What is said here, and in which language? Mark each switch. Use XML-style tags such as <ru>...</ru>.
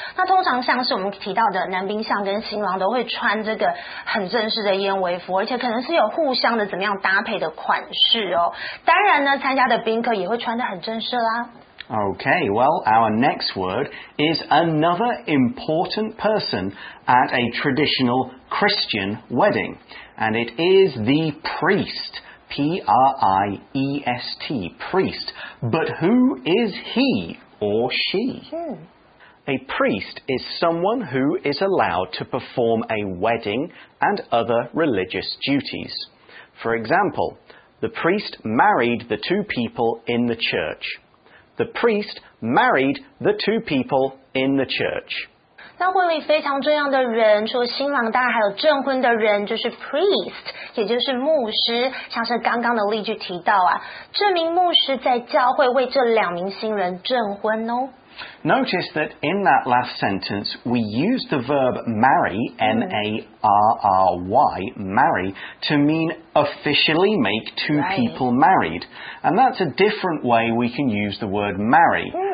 <zh>那通常像是我们提到的男宾相跟新郎都会穿这个很正式的燕尾服，而且可能是有互相的怎么样搭配的款式哦。当然呢，参加的宾客也会穿得很正式啦。</zh> <en>Okay, well, our next word is another important person at a traditional Christian wedding, and it is the priest. P-R-I-E-S-T, priest. But who is he or she? A priest is someone who is allowed to perform a wedding and other religious duties. For example, the priest married the two people in the church. The priest married the two people in the church.</en> <zh>那婚礼非常重要的人，除了新郎，当然还有证婚的人，就是 priest, 也就是牧师。像是刚刚的例句提到啊，这名牧师在教会为这两名新人证婚哦。</zh> <en>Notice that in that last sentence, we use the verb marry, M-A-R-R-Y, marry, to mean officially make two people married. And that's a different way we can use the word marry.</en>